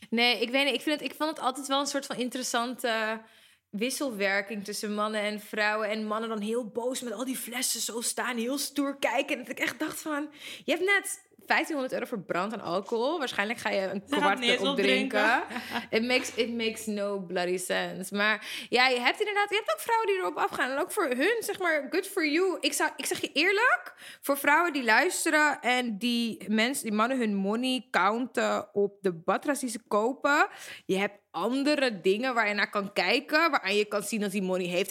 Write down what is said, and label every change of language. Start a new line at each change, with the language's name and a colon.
Dutch: Nee, ik weet niet. Ik vond het altijd wel een soort van interessante wisselwerking tussen mannen en vrouwen. En mannen dan heel boos met al die flessen zo staan, heel stoer kijken. Dat ik echt dacht van, je hebt net €1500 verbrand aan alcohol. Waarschijnlijk ga je een kwart erop drinken.
English: It makes no bloody sense.
Dutch: Maar ja, je hebt ook vrouwen die erop afgaan. En ook voor hun, zeg maar,
English: good for you.
Dutch: Ik zeg je eerlijk, voor vrouwen die luisteren en die mannen hun money counten op de batra's die ze kopen. Je hebt andere dingen waar je naar kan kijken, waaraan je kan zien dat hij money heeft.